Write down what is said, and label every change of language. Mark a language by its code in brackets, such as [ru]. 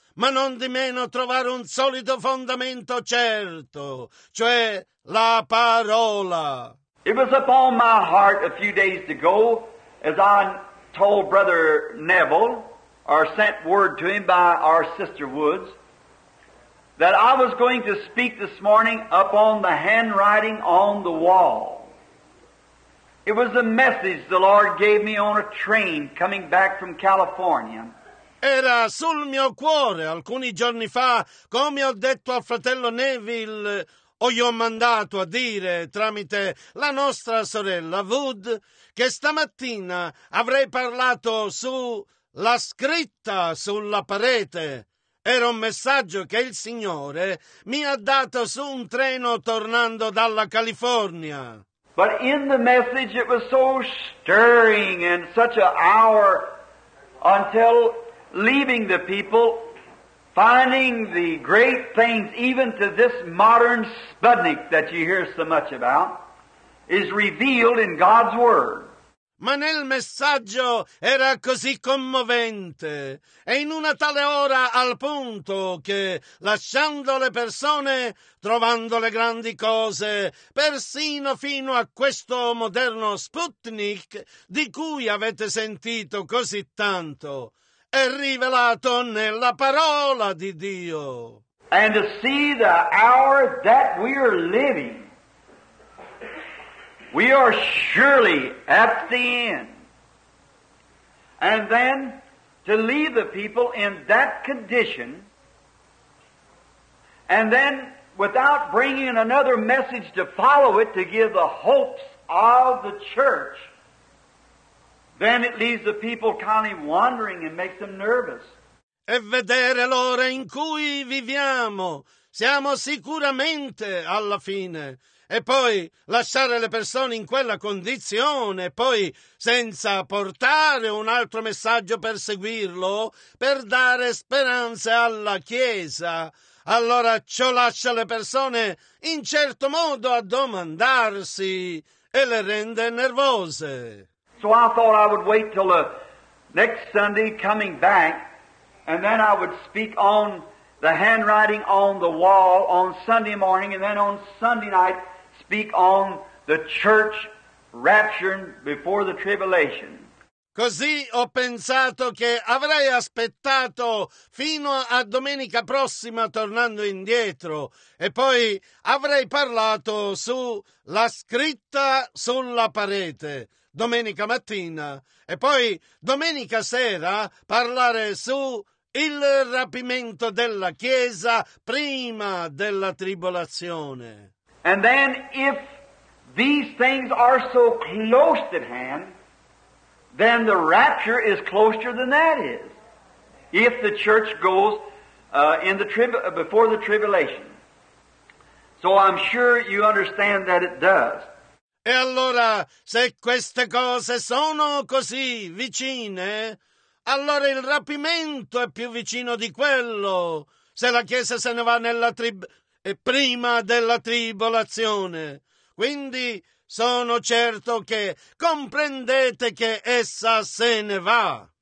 [it] Ma non di meno trovare un solido fondamento certo, cioè la parola. [en] It was upon my heart a few days ago, as I told Brother Neville, or sent word to him by our sister Woods, that I was going to speak this morning upon the handwriting on the wall. It was a message the Lord gave me on a train coming back from California. [it] Era sul mio cuore alcuni giorni fa, come ho detto al fratello Neville, o gli ho mandato a dire tramite la nostra sorella Wood, che stamattina avrei parlato sulla scritta sulla parete. Era un messaggio che il Signore mi ha dato su un treno tornando dalla California. [en] But in the message it was so stirring and such an hour until leaving the people, finding the great things, even to this modern Sputnik that you hear so much about, is revealed in God's Word. [it] Ma nel messaggio era così commovente, e in una tale ora al punto che, lasciando le persone, trovando le grandi cose, persino fino a questo moderno Sputnik, di cui avete sentito così tanto, è rivelato nella parola di Dio. [en] And to see the hour that we are living, we are surely at the end. And then to leave the people in that condition, and then without bringing another message to follow it to give the hopes of the church, then it leaves the people kind of wandering and makes them nervous. [it] E vedere l'ora in cui viviamo, siamo sicuramente alla fine. E poi lasciare le persone in quella condizione, poi senza portare un altro messaggio per seguirlo, per dare speranze alla Chiesa. Allora ciò lascia le persone in certo modo a domandarsi e le rende nervose. [en] So I thought I would wait till next Sunday coming back, and then I would speak on the handwriting on the wall on Sunday morning, and then on Sunday night speak on the church rapture before the tribulation. [it] Così ho pensato che avrei aspettato fino a domenica prossima tornando indietro e poi avrei parlato sulla scritta sulla parete domenica mattina e poi domenica sera parlare su il rapimento della Chiesa prima della tribolazione. [en] And then if these things are so close at hand, then the rapture is closer than that is, if the church goes before the tribulation. So I'm sure you understand that it does. [it] E allora, se queste cose sono così vicine, allora il rapimento è più vicino di quello, se la Chiesa se ne va prima della tribolazione. Quindi sono certo che comprendete che essa se ne va.